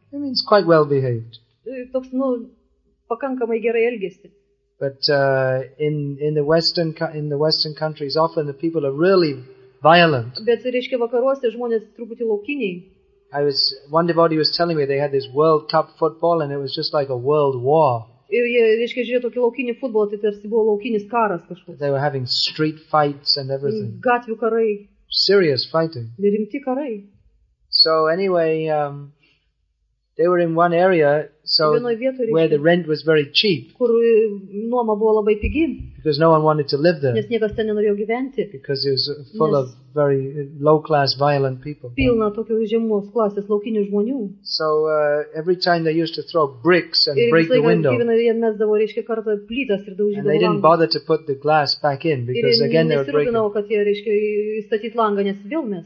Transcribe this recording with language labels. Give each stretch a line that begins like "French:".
English: It means quite well behaved.
Lithuanian: Toks, nu, pakankamai gerai elgesi.
English: But in the western countries often the people are really violent.
Lithuanian: Bet, reiškia, vakaruose žmonės truputį laukiniai.
English: One devotee was telling me they had this World Cup football and it was just like a world war.
Lithuanian: Ir jie, reiškia, žiūrėjo tokį laukinį futbolą, tai tarsi buvo laukinis karas kažkoks.
English: They were having street fights and everything.
Lithuanian: Gatvių karai.
English: Serious fighting.
Lithuanian: Rimti karai.
English: So anyway, they were in one area, so where the rent was very cheap.
Lithuanian: Kur nuoma buvo labai pigi.
English: Because no one wanted to live there.
Lithuanian: Nes niekas ten nenorėjo gyventi.
English: Because it was full of very low-class, violent people.
Lithuanian: Pilna tokio žemos klasės laukinių žmonių.
English: So every time they used to throw bricks and break the window. And they didn't bother to put the glass back in because again they were breaking.
Lithuanian: Kad jie, reiškia, įstatyt langą, nes vėl mes.